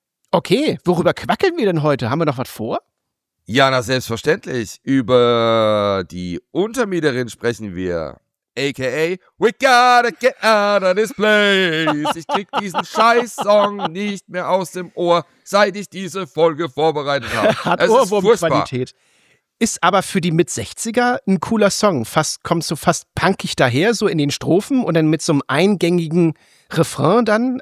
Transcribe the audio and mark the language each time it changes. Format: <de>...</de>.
<de>Okay, worüber quackeln wir denn heute? Haben wir noch was vor? Ja, na selbstverständlich. Über die Untermieterin sprechen wir. A.K.A.</de> <en>We gotta get out of this place.</en> <de>Ich krieg diesen Scheiß-Song nicht mehr aus dem Ohr, seit ich diese Folge vorbereitet habe. Hat Ohrwurm-Qualität. Ist aber für die Mit-60er ein cooler Song. Kommt so fast punkig daher, so in den Strophen und dann mit so einem eingängigen Refrain dann.</de>